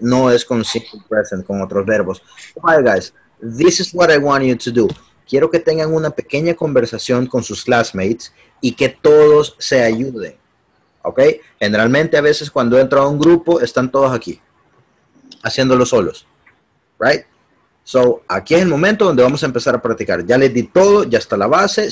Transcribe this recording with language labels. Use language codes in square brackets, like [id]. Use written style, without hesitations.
[es] No es con simple present, con otros verbos. [en] Alright, guys, this is what I want you to do. [es] Quiero que tengan una pequeña conversación con sus classmates y que todos se ayuden. Okay? Generalmente, a veces, cuando entra un grupo, están todos aquí, haciéndolo solos. Right? So, aquí es el momento donde vamos a empezar a practicar. Ya les di todo, ya está la base.